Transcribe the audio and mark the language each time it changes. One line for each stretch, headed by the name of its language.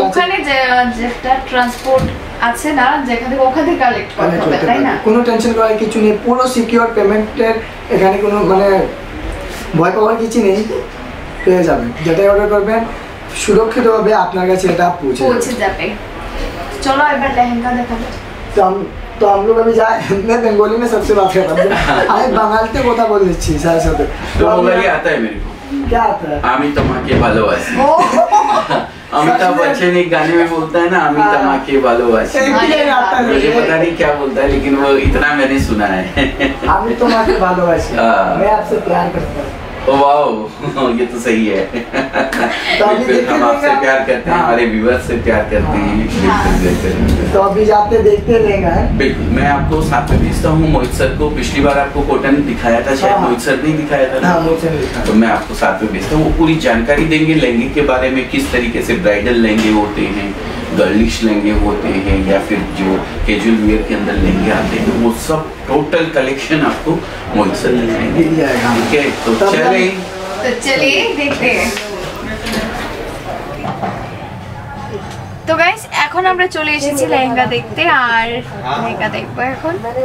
Bangla: আছে আছে না যেখানে ওখানে কালেক্ট করতে হবে, তাই না? কোনো টেনশন করার কিছু নেই, পুরো সিকিউর পেমেন্টের এখানে কোনো মানে ভয় পাওয়ার কিছু নেই। পেয়ে যাবেন যেটা অর্ডার করবেন সুরক্ষিতভাবে আপনার কাছে এটা পৌঁছে যাবে চলো এবার লেহেঙ্গা দেখাবো তো
Hindi: तो हम लोग अभी जाए बंगाली में सबसे बात करते हैं आई बंगाल से कोता बोल रही थी सारे साथ तो बंगाली आता है मेरे को क्या आता है
Bangla: आमी तमाके भालोवासी
Hindi: अमिताभ बच्चन एक गाने में बोलता है ना आमी तमाके भालोवासी मुझे पता नहीं क्या बोलता है लेकिन वो इतना मैंने सुना है
Bangla: आमी तमाके भालोवासी
Hindi: मैं आपसे प्यार करता हूं ये तो सही है तो हम आपसे प्यार करते हैं हमारे व्यूअर्स से प्यार करते हैं तो अभी जाते देखते रहेगा बिल्कुल मैं आपको साथ में भेजता हूँ मोहित सर को पिछली बार आपको कॉटन दिखाया था शायद मोहित सर ने दिखाया था ना मोहित सर ने दिखाया तो मैं आपको साथ में भेजता हूँ वो पूरी जानकारी देंगे लहंगे के बारे में किस तरीके से ब्राइडल लहंगे होते हैं गर्लिश लहंगे होते हैं या फिर जो कैजुअल वेयर के अंदर लहंगे आते हैं वो सब टोटल कलेक्शन आपको मोहित सर दिखाएंगे ठीक है तो चलिए देखते हैं
Bangla: তো গাইস এখন আমরা চলে এসেছি লেহেঙ্গা দেখতে আর লেহেঙ্গা দেখবো এখন মানে